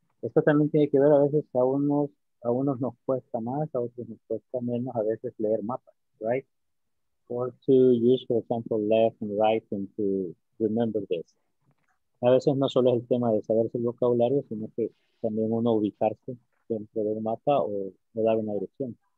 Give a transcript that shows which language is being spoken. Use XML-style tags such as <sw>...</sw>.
<es>Esto también tiene que ver a veces a unos nos cuesta más, a otros nos cuesta menos a veces leer mapas, right?</es> <en>Or to use, for example, left and right and to remember this.</en> <es>A veces no solo es el tema de saberse el vocabulario, sino que también uno ubicarse dentro de un mapa o dar una dirección.</es>